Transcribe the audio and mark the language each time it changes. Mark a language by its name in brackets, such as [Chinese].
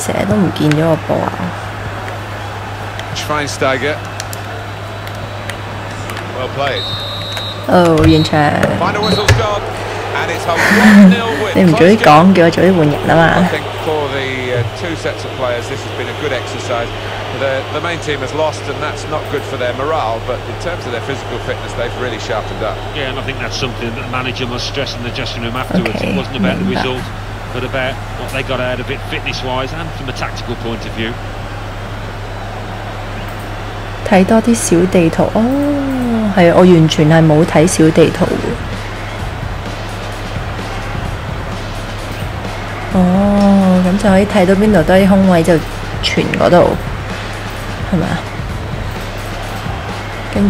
[Chinese] 整天都不見了我的球啊. [English] Schweinsteiger. Well played. [Chinese] Oh, 完成. [English] Final whistle's gone. And it's a 1-0 win. [Chinese] 你不早點說,叫他早點換人嘛. [English] I think for the two sets of players, this has been a good exercise. The main team has lost, and that's not good for their morale, but in terms of their physical fitness, they've really sharpened up. Yeah, and I think that's something that the manager must stress in the dressing room afterwards. Okay, it wasn't about the result, but about what they got out of it fitness-wise and from a tactical point of view. [Chinese] 看多些小地圖. Oh, 是, 我完全是沒有看小地圖. Oh, 那就可以看到哪裡多些空位就傳那裡是嗎?